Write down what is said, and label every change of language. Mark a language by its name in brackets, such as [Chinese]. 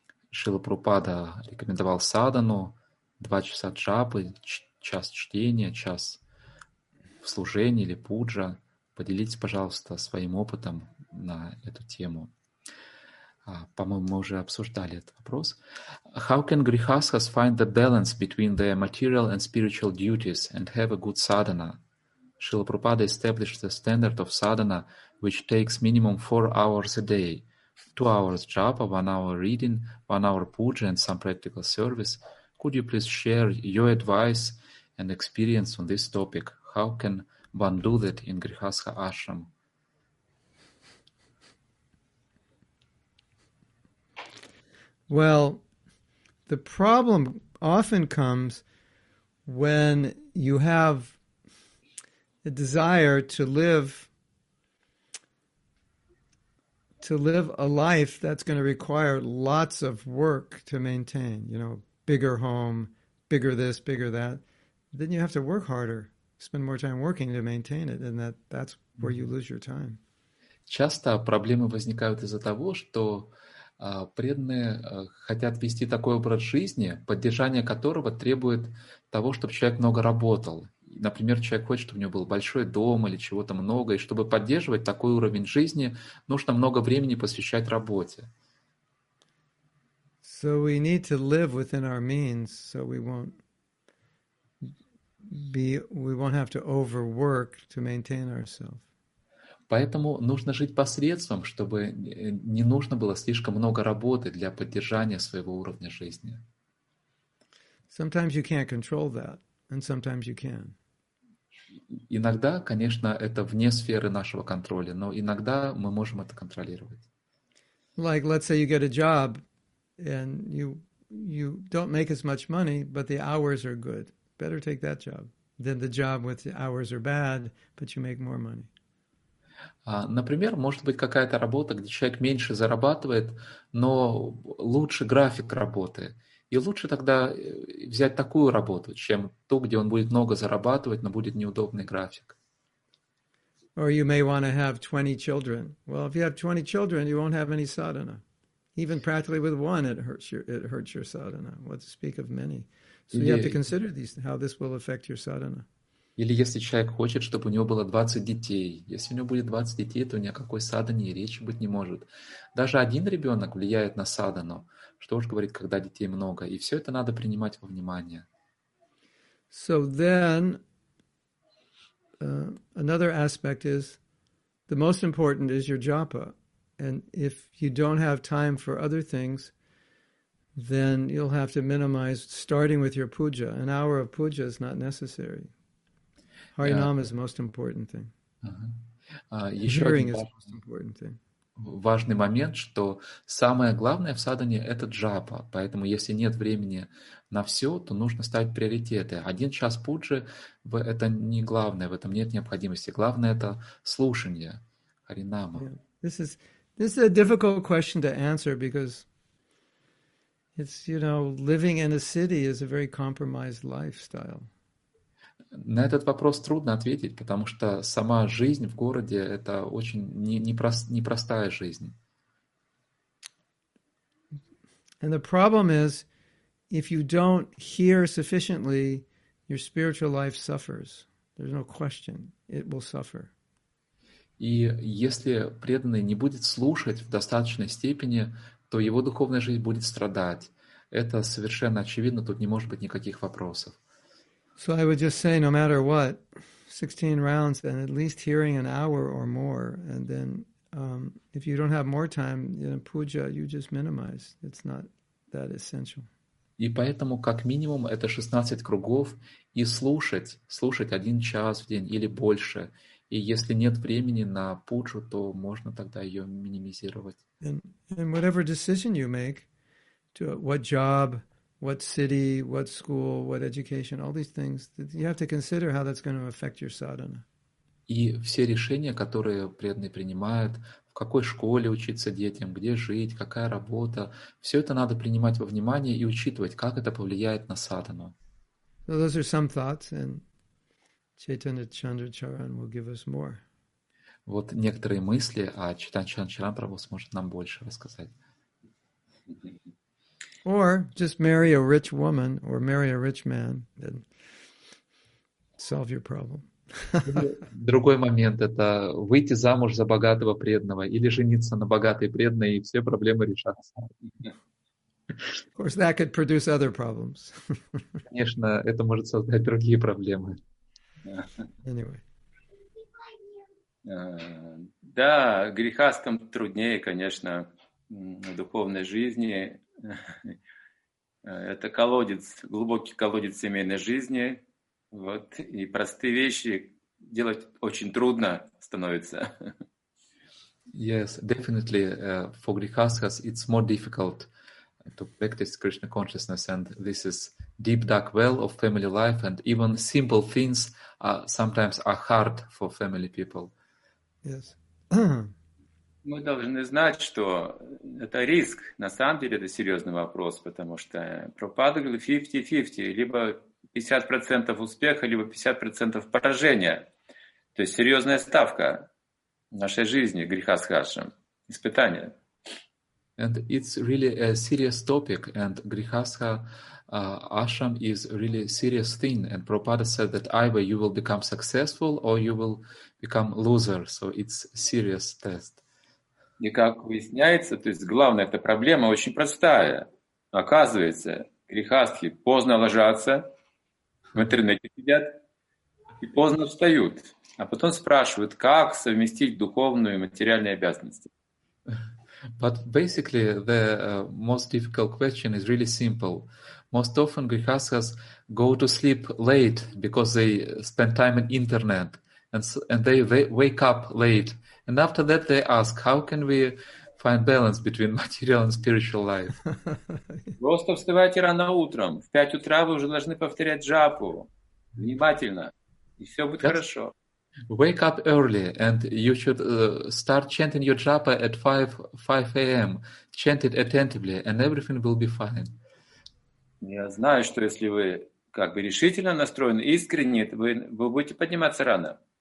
[Russian] Шрила Прабхупада рекомендовал садхану, 2 часа джапы, час чтения, час в служении или пуджа. Поделитесь, пожалуйста, своим опытом на эту тему. По-моему, мы уже обсуждали этот вопрос. [English] How can grihasthas find the balance between their material and spiritual duties and have a good sadhana? Srila Prabhupada established the standard of sadhana, which takes minimum 4 hours a day, 2 hours japa, 1 hour reading, 1 hour puja and some practical service. Could you please share your advice and experience on this topic? How can one do that in grihastha ashram? Well, the problem often comes when you have a desire to live a life that's going to require lots of work to maintain, you know, bigger home, bigger this, bigger that. Then you have to work harder, spend more time working to maintain it, and that's where you lose your time. [Russian] Часто проблемы возникают из-за того, что преданные хотят вести такой образ жизни, поддержание которого требует того, чтобы человек много работал. Например, человек хочет, чтобы у него был большой дом или чего-то много, и чтобы поддерживать такой уровень жизни, нужно много времени посвящать работе. [English] So we need to live within our means, so we won't have to overwork to maintain ourselves. [Russian] Поэтому нужно жить посредством, чтобы не нужно было слишком много работы для поддержания своего уровня жизни. [English] Sometimes you can't control that, and sometimes you can. [Russian] Иногда, конечно, это вне сферы нашего контроля, но иногда мы можем это контролировать. [English] Like, let's say you get a job, and you don't make as much money, but the hours are good. Better take that job than the job with the hours are bad, but you make more money. [Russian] Например, может быть какая-то работа, где человек меньше зарабатывает, но лучше график работы. И лучше тогда взять такую работу, чем ту, где он будет много зарабатывать, но будет неудобный график. [English] Or you may want to have 20 children. Well, if you have 20 children, you won't have any sadhana. Even practically with one, it hurts your sadhana. What to speak of many. So you have to consider these, how this will affect your sadhana. [Russian] Или если человек хочет, чтобы у него было 20 детей. Если у него будет 20 детей, то ни о какой садхане речи быть не может. Даже один ребенок влияет на садхану. Что уж говорить, когда детей много. И все это надо принимать во внимание. [English] So then, another aspect is, the most important is your japa. And if you don't have time for other things, then you'll have to minimize, starting with your puja. An hour of puja is not necessary. Харинам is the most important thing. Hearing is the most important thing. [Russian] Важный момент, что самое главное в садхане – это джапа. Поэтому если нет времени на все, то нужно ставить приоритеты. Один час пуджи – это не главное, в этом нет необходимости. Главное – это слушание Харинама. [English] Yeah. This is a difficult question to answer because it's, you know, living in a city is a very compromised lifestyle. [Russian] На этот вопрос трудно ответить, потому что сама жизнь в городе – это очень непростая жизнь. [English] And the problem is, if you don't hear sufficiently, your spiritual life suffers. There's no question. It will suffer. [Russian] И если преданный не будет слушать в достаточной степени, то его духовная жизнь будет страдать. Это совершенно очевидно, тут не может быть никаких вопросов. [English] So I would just say, no matter what, 16 rounds and at least hearing an hour or more, and then if you don't have more time, then puja, you just minimize. It's not that essential. [Russian] И поэтому, как минимум, это 16 кругов, и слушать один час в день или больше. И если нет времени на пуджу, то можно тогда ее минимизировать. [English] And whatever decision you make, to what job, what city, what school, what education, all these things, you have to consider how that's going to affect your sadhana. [Russian] И все решения, которые преданные принимают, в какой школе учиться детям, где жить, какая работа, все это надо принимать во внимание и учитывать, как это повлияет на садхану. [English] So those are some thoughts, and Chaitanya Chandracharan will give us more. [Russian] Вот некоторые мысли, а Чайтанья Чандрачаран Прабху сможет нам больше рассказать. [English] Or just marry a rich woman or marry a rich man and solve your problem. [Russian] Другой момент – это выйти замуж за богатого преданного или жениться на богатой преданной, и все проблемы решатся. [English] Of course, that could produce other problems. [Russian] Конечно, это может создать другие проблемы. [English] Anyway. [Russian] Да, грехастам труднее, конечно, в духовной жизни. Это колодец, глубокий колодец семейной жизни. Вот, и простые вещи делать очень трудно становится. [English] Yes, definitely. For grihasthas, it's more difficult to practice Krishna consciousness. And this is deep dark well of family life. And even simple things sometimes are hard for family people. Yes. [Russian] Мы должны знать, что это риск. На самом деле это серьезный вопрос, потому что Прабхупада говорил 50-50, либо 50% успеха, либо 50% поражения. То есть серьезная ставка в нашей жизни, греха с хашем, испытания. [English] And it's really a serious topic, and grihastha ashram is really serious thing. And Prabhupada said that either you will become successful or you will become loser. So it's serious test. [Russian] И как выясняется, то есть главное, эта проблема очень простая. Оказывается, грехастхи поздно ложатся, в интернете сидят и поздно встают. А потом спрашивают, как совместить духовную и материальные обязанности. [English] But basically, the most difficult question is really simple. Most often grihasthas go to sleep late because they spend time in internet. And they wake up late. And after that, they ask, how can we find balance between material and spiritual life? [Russian] Просто вставайте рано утром. В 5 утра вы уже должны повторять джапу. Внимательно. И все будет хорошо. [English] Wake up early and you should start chanting your japa at 5 a.m. Chant it attentively and everything will be fine. [Russian] Я знаю, что если вы как бы решительно настроены, искренне, вы будете подниматься рано.